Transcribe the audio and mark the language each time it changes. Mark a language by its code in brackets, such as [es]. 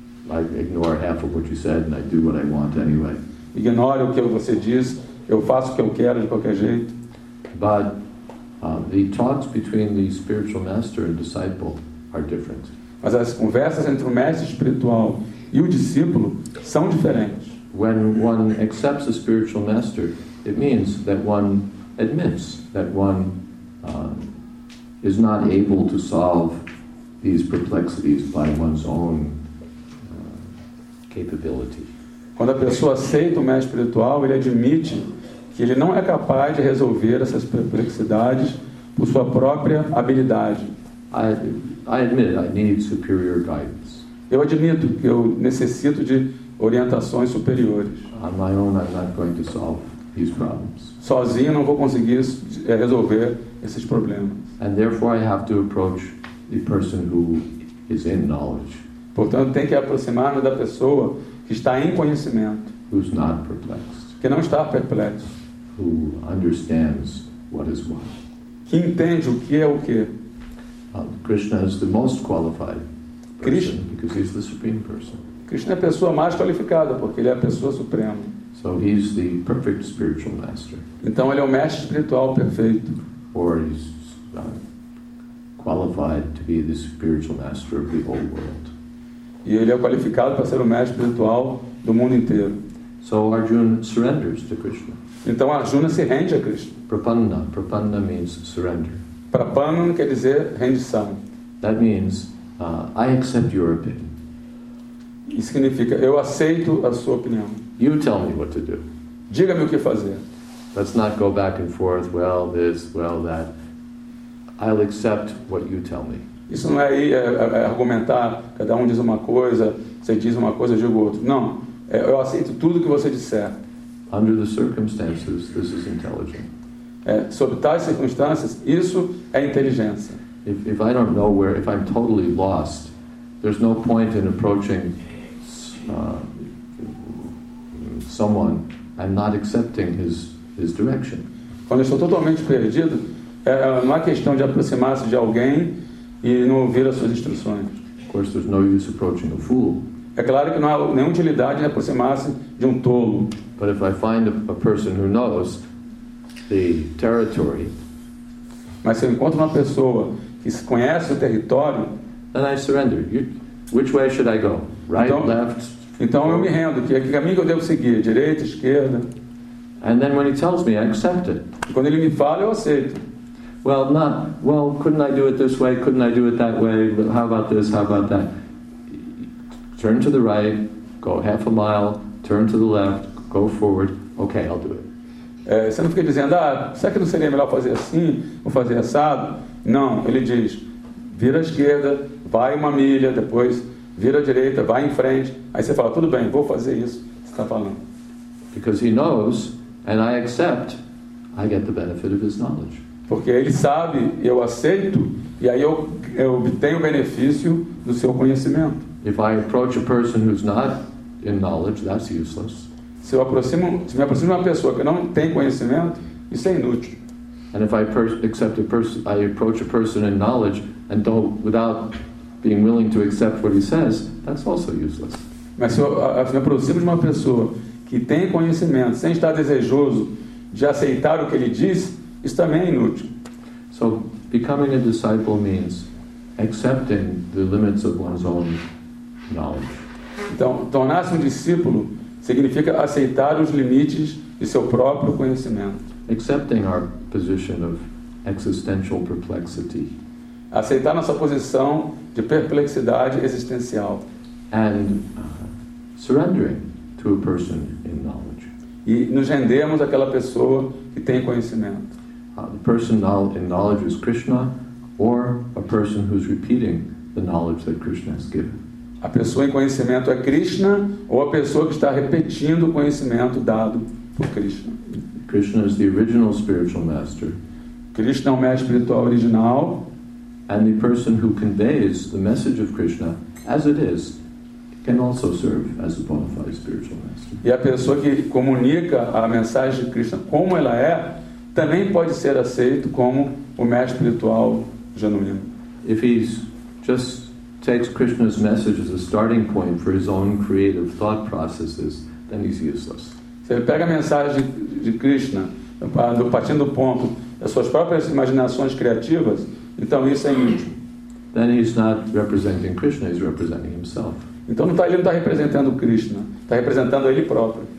[en] I ignore half of what you said and I do what I want anyway. [pt] Ignoro o que você diz, eu faço o que eu quero de qualquer jeito. [en] But the talks between the spiritual master and disciple are different. [pt] Mas as conversas entre o mestre espiritual e o discípulo são diferentes. [en] When one accepts a spiritual master, it means that one admits that one is not able to solve these perplexities by one's own capability. [pt] Quando a pessoa aceita o mestre espiritual, ele admite que ele não é capaz de resolver essas perplexidades por sua própria habilidade. [en] I admit I need superior guidance. [pt] Eu admito que eu necessito de orientações superiores. [en] On my own, I'm not going to solve these problems. [pt] Sozinho não vou conseguir resolver esses problemas. [en] And therefore I have to approach the person who is in knowledge. [pt] Portanto, tem que aproximar-nos da pessoa que está em conhecimento. [en] Who's not perplexed. [pt] Que não está perplexo. [en] Who understands what is what. [pt] Que entende o que é o que. [en] Krishna is the most qualified person Krishna. Because he's the supreme person. [pt] Krishna é a pessoa mais qualificada porque ele é a pessoa suprema. [en] So he's the perfect spiritual master. [pt] Então ele é o mestre espiritual perfeito. [en] Or he's qualified to be the spiritual master of the whole world. [pt] E ele é qualificado para ser o mestre espiritual do mundo inteiro. [en] So Arjuna surrenders to Krishna. [pt] Então Arjuna se rende a Krishna. [en] Prapanna, prapanna means surrender. [pt] Prapanna quer dizer rendição. [en] That means I accept your opinion. [pt] Isso significa eu aceito a sua opinião. [en] You tell me what to do. [pt] Diga-me o que fazer. [en] Let's not go back and forth. Well, this, well, that. I'll accept what you tell me. [pt] Isso não é aí argumentar, cada um diz uma coisa, você diz uma coisa, eu digo outra. Não, eu aceito tudo que você disser. [en] Under the circumstances, this is intelligent. [pt] Sob tais circunstâncias, isso é inteligência. [en] If I don't know where, if I'm totally lost, there's no point in approaching someone and not accepting his direction. [pt] Quando eu estou totalmente perdido, não há questão de aproximar-se de alguém e não ouvir as suas instruções. [en] Of course, there's no use approaching a fool. [pt] É claro que não há nenhuma utilidade em aproximar-se de um tolo. [en] But if I find a person who knows the territory, [pt] mas se eu encontro uma pessoa que conhece o território, [en] then I surrender. Which way should I go? Right, [pt] então, [en] left? [pt] Então eu me rendo. Que caminho que eu devo seguir? Direita, esquerda? [en] And then when he tells me, I accept it. [pt] E quando ele me fala, eu aceito. [en] Well, not. Well, couldn't I do it this way? Couldn't I do it that way? How about this? How about that? Turn to the right, go half a mile, turn to the left, go forward. Okay, I'll do it. [pt] Você não fica dizendo, será que não seria melhor fazer assim ou fazer assado? Não, ele diz, vira à esquerda, vai uma milha, depois vira à direita, vai em frente. Aí você fala, tudo bem, vou fazer isso. Você está falando. [en] Because he knows, and I accept, I get the benefit of his knowledge. [pt] Porque ele sabe, eu aceito, e aí eu obtenho o benefício do seu conhecimento. [en] If I approach a person who's not in knowledge, that's useless. [pt] Se me aproximo de uma pessoa que não tem conhecimento, isso é inútil. [en] And if I approach a person in knowledge and don't, without being willing to accept what he says, that's also useless. [pt] Mas se me aproximo de uma pessoa que tem conhecimento, sem estar desejoso de aceitar o que ele diz, isso também é inútil. [en] So becoming a disciple means accepting the limits of one's own knowledge. [pt] Então, tornar-se um discípulo significa aceitar os limites de seu próprio conhecimento. [en] Accepting our position of existential perplexity. [pt] Aceitar nossa posição de perplexidade existencial. [en] And surrendering to a person in knowledge. [pt] E nos rendemos àquela pessoa que tem conhecimento. [en] The person in knowledge is Krishna, or a person who's repeating the knowledge that Krishna has given. [pt] A pessoa em conhecimento é Krishna, ou a pessoa que está repetindo o conhecimento dado por Krishna. [en] Krishna is the original spiritual master. [pt] Krishna é o mestre espiritual original. [en] And the person who conveys the message of Krishna as it is can also serve as a bona fide spiritual master. [pt] E a pessoa que comunica a mensagem de Krishna como ela é também pode ser aceito como o mestre espiritual genuíno. [en] If he just takes Krishna's message as a starting point for his own creative thought processes, then he's useless. [pt] Se ele pega a mensagem de Krishna partindo do ponto das suas próprias imaginações criativas, então isso é inútil. [en] Then he's not representing Krishna, he's representing himself. [pt] Então ele não está representando Krishna, está representando ele próprio.